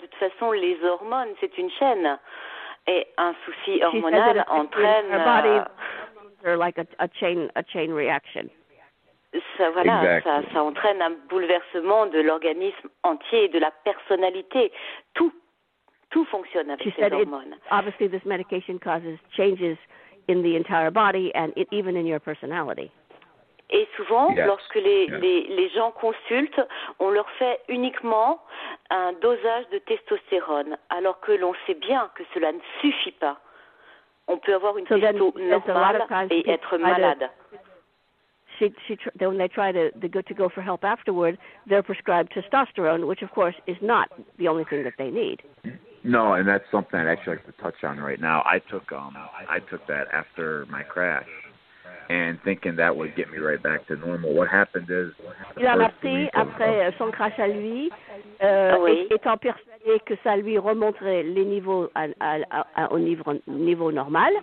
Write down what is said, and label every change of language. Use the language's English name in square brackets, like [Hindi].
[French] De toute façon, les hormones, c'est une chaîne. Et un souci hormonal entraîne... [English] Or like a chain reaction. [French] Ça, voilà, [English] exactly. [French] ça entraîne un bouleversement de l'organisme entier, de la personnalité. Tout fonctionne avec ces hormones. [English] Obviously, this medication causes changes in the entire body and even in your personality. [French] Et souvent, [English] yes. [French] lorsque les gens consultent, on leur fait uniquement un dosage de testostérone, alors que l'on sait bien que cela ne suffit pas. On peut avoir une testo normale et être malade. [English] When they try to go for help afterward, they're prescribed testosterone, which of course is not the only thing that they need. No, and that's something I'd actually like to touch on right now. I took that after my crash, and thinking that would get me right back to normal. What happened is, [French] il a arrêté après son crash à lui, étant persuadé que ça lui remonterait les niveaux au niveau normal.